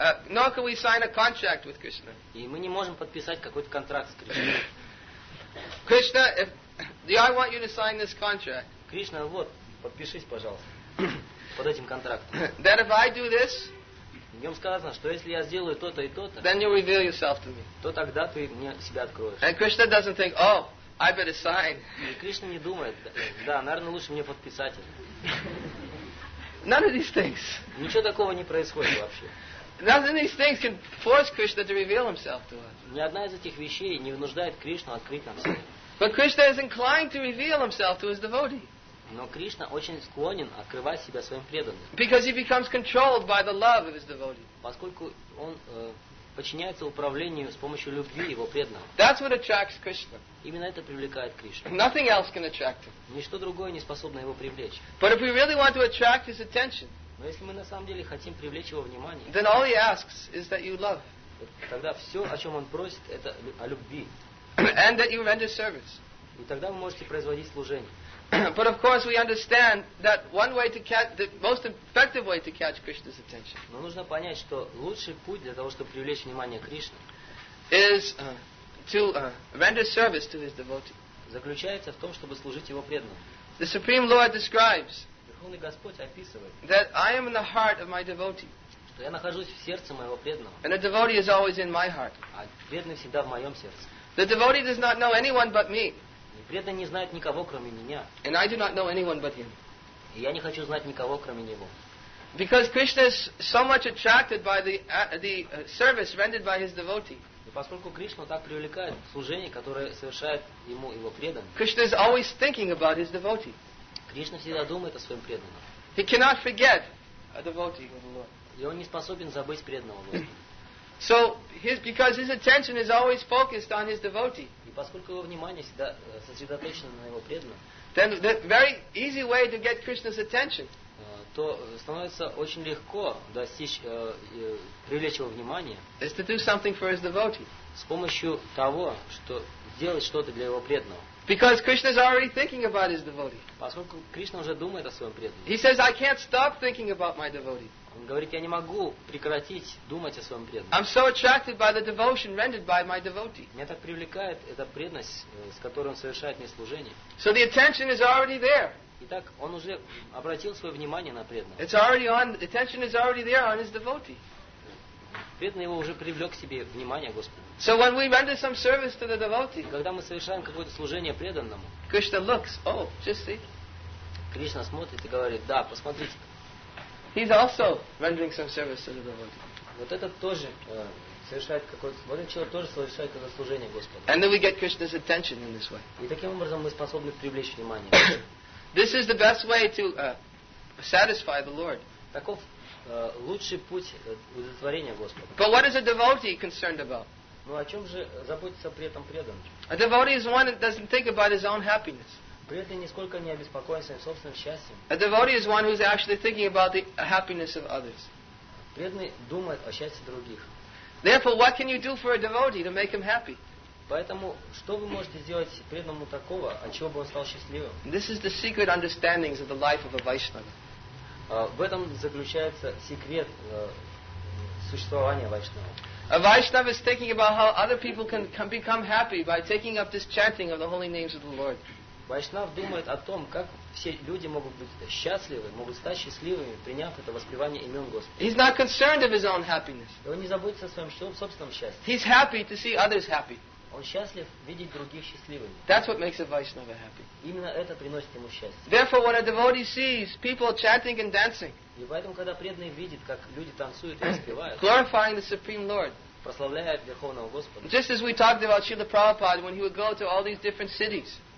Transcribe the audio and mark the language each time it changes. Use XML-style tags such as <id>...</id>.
<en>Nor can we sign a contract with Krishna.</en> <ru>И мы не можем подписать какой-то контракт с Кришной.</ru> <en>Krishna, I want you to sign this contract.</en> <ru>Кришна, вот, подпишись, пожалуйста, под этим контрактом.</ru> <en>That if I do this,</en> <ru>в нем сказано, что если я сделаю то-то и то-то,</ru> <en>then you reveal yourself to me.</en> <ru>То тогда ты мне себя откроешь.</ru> <en>And Krishna doesn't think, oh, I better sign.</en> <ru>Кришна не думает. Да, наверное, лучше мне подписать это.</ru> <en>None of these things.</en> <ru>Ничего такого не происходит вообще.</ru> <en>None of these things can force Krishna to reveal himself to us.</en> <ru>Ни одна из этих вещей не вынуждает Кришну открыть нам себя.</ru> <en>But Krishna is inclined to reveal himself to his devotee.</en> <ru>Но Кришна очень склонен открывать себя своим преданным.</ru> <en>Because he becomes controlled by the love of his devotee.</en> <ru>Поскольку он подчиняется управлению с помощью любви его преданного.</ru> <en>That's what attracts Krishna.</en> <ru>Именно это привлекает Кришну.</ru> <en>Nothing else can attract him.</en> <ru>Ничто другое не способно его привлечь.</ru> <en>But if we really want to attract his attention,</en> <ru>но если мы на самом деле хотим привлечь его внимание,</ru> <en>then all he asks is that you love.</en> <ru>Тогда все, о чем он просит, это о любви.</ru> <en>And that you render service.</en> <ru>И тогда вы можете производить служение.</ru> <en>But of course we understand that one way to catch, the most effective way to catch Krishna's attention.</en> <ru>Но нужно понять, что лучший путь для того, чтобы привлечь внимание Кришны,</ru> <en>is to render service to his devotee.</en> <ru>Заключается в том, чтобы служить его преданному.</ru> <en>The Supreme Lord describes.</en> <ru>Верховный Господь описывает.</ru> <en>That I am in the heart of my devotee.</en> <ru>Что я нахожусь в сердце моего преданного.</ru> <en>And the devotee is always in my heart.</en> <ru>А преданный всегда в моем сердце.</ru> <en>The devotee does not know anyone but me.</en> <ru>Преданный не знает никого, кроме меня.</ru> <en>And I do not know anyone but him.</en> <ru>И я не хочу знать никого, кроме него.</ru> <en>Because Krishna is so much attracted by the service rendered by his devotee.</en> <ru>И поскольку Кришна так привлекает служение, которое совершает ему его преданный.</ru> <en>Krishna is always thinking about his devotee.</en> <ru>Кришна всегда думает о своем преданном.</ru> <en>He cannot forget a devotee of the Lord.</en> <ru>И он не способен забыть преданного Бога.</ru> <en>So his, because his attention is always focused on his devotee.</en> <ru>И поскольку его внимание всегда сосредоточено на его преданном.</ru> <en>Then the very easy way to get Krishna's attention.</en> <ru>То становится очень легко достичь привлечь его внимание.</ru> <en>Is to do something for his devotee.</en> <ru>С помощью того, что сделать что-то для его преданного.</ru> <en>Because Krishna is already thinking about his devotee.</en> <ru>Поскольку Кришна уже думает о своем преданном.</ru> <en>He says, I can't stop thinking about my devotee.</en> <ru>Он говорит, я не могу прекратить думать о своем преданном.</ru> <en>So</en> <ru>меня так привлекает эта преданность, с которой он совершает мне служение.</ru> <en>So the attention is already there.</en> <ru>Итак, он уже обратил свое внимание на преданного.</ru> <en>It's already on, the attention is already there on his devotee.</en> <ru>Преданный его уже привлек к себе внимание Господа.</ru> <en>So when we render some service to the devotee,</en> <ru>когда мы совершаем какое-то служение преданному,</ru> <en>Krishna looks, oh, just see.</en> <ru>Кришна смотрит и говорит, да, посмотрите.</ru> <en>He's also rendering some service to the devotee.</en> <ru>Вот этот тоже совершает какое-то. Вот этот человек тоже совершает какое-то служение Господу.</ru> <en>And then we get Krishna's attention in this way.</en> <ru>И таким образом мы способны привлечь внимание.</ru> <en>This is the best way to satisfy the Lord.</en> <ru>Таков лучший путь удовлетворения Господа.</ru> <en>But what is a devotee concerned about?</en> <ru>Ну о чем же заботится при этом преданный?</ru> <en>A devotee is one that doesn't think about his own happiness.</en> <ru>Преданный нисколько не обеспокоен своим собственным счастьем.</ru> <en>A devotee is one who is actually thinking about the happiness of others.</en> <ru>Преданный думает о счастье других.</ru> <en>Therefore, what can you do for a devotee to make him happy?</en> <ru>Поэтому, что вы можете сделать преданному такого, от чего бы он стал счастливым?</ru> <en>This is the secret understandings of the life of a Vaishnava.</en> <ru>В этом заключается секрет существования Вайшнава.</ru> <en>A Vaishnava is thinking about how other people can become happy by taking up this chanting of the holy names of the Lord.</en> <ru>Вайшнав думает о том, как все люди могут быть счастливы, могут стать счастливыми, приняв это воспевание имен Господа.</ru> <en>He's not concerned of his own happiness.</en> <ru>Он не заботится о своем собственном счастье.</ru> <en>He's happy to see others happy.</en> <ru>Он счастлив видеть других счастливыми.</ru> <en>That's what makes a Vaishnava happy.</en> <ru>Именно это приносит ему счастье.</ru> <en>Therefore, when a devotee sees people chanting and dancing,</en> <ru>и поэтому, когда преданный видит, как люди танцуют и воспевают,</ru> <en>glorifying the Supreme Lord,</en> <ru>прославляя Верховного Господа,</ru> <en>just as we talked about Srila Prabhupada when he would go to all these different cities.</en>